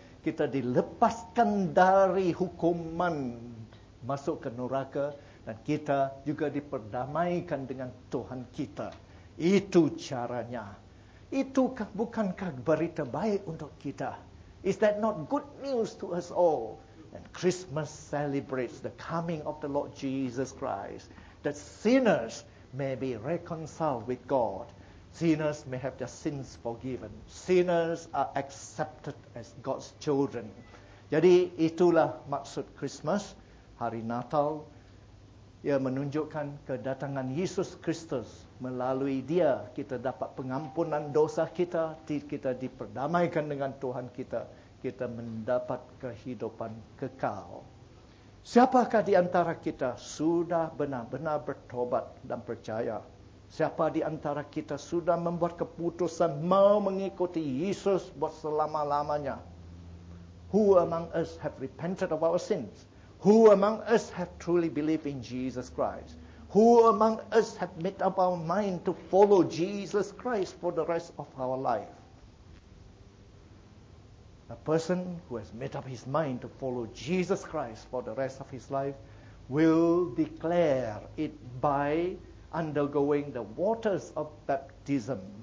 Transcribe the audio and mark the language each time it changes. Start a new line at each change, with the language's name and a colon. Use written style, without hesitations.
Indonesian: Kita dilepaskan dari hukuman masuk ke neraka. Dan kita juga diperdamaikan dengan Tuhan kita. Itu caranya. Itu bukankah berita baik untuk kita?
English: Is that not good news to us all? And Christmas celebrates the coming of the Lord Jesus Christ. That sinners may be reconciled with God. Sinners may have their sins forgiven. Sinners are accepted as God's children.
Indonesian: Jadi itulah maksud Christmas, hari Natal. Ia menunjukkan kedatangan Yesus Kristus. Melalui dia, kita dapat pengampunan dosa kita. Kita diperdamaikan dengan Tuhan kita. Kita mendapat kehidupan kekal. Siapakah di antara kita sudah benar-benar bertobat dan percaya? Siapa di antara kita sudah membuat keputusan mau mengikuti Yesus buat selama-lamanya?
English: Who among us have repented of our sins? Who among us have truly believed in Jesus Christ? Who among us have made up our mind to follow Jesus Christ for the rest of our life? A person who has made up his mind to follow Jesus Christ for the rest of his life will declare it by undergoing the waters of baptism.